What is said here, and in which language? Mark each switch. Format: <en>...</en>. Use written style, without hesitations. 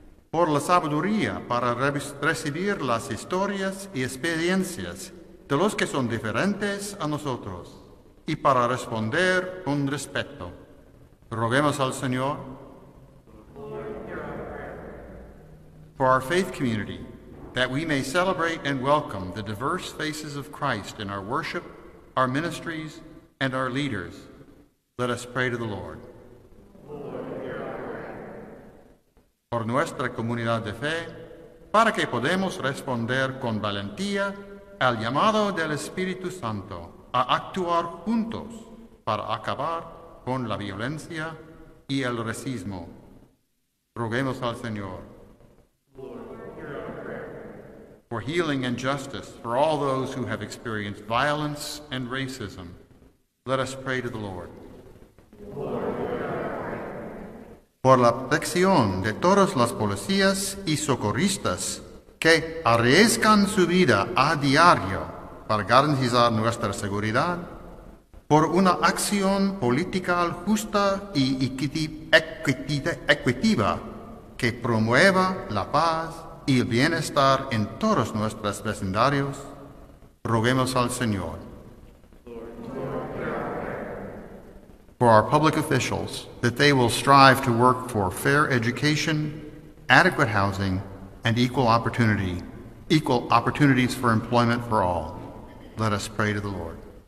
<es>Por la sabiduría para recibir las historias y experiencias de los que son diferentes a nosotros, y para responder con respeto, roguemos al Señor.</es> <en>For our faith community, that we may celebrate and welcome the diverse faces of Christ in our worship, our ministries, and our leaders, let us pray to the Lord. Lord, hear our prayer.</en> <es>Por nuestra comunidad de fe, para que podamos responder con valentía al llamado del Espíritu Santo a actuar juntos para acabar con la violencia y el racismo, roguemos al Señor.</es> <en>For healing and justice for all those who have experienced violence and racism, let us pray to the Lord. Lord, hear our prayer.</en> <es>Por la protección de todos los policías y socorristas que arriesgan su vida a diario para garantizar nuestra seguridad, por una acción política justa y equitativa que promueva la paz y el bienestar en todos nuestros vecindarios, roguemos al Señor.</es> <en>For our public officials, that they will strive to work for fair education, adequate housing, and equal opportunities for employment for all, let us pray to the Lord.</en>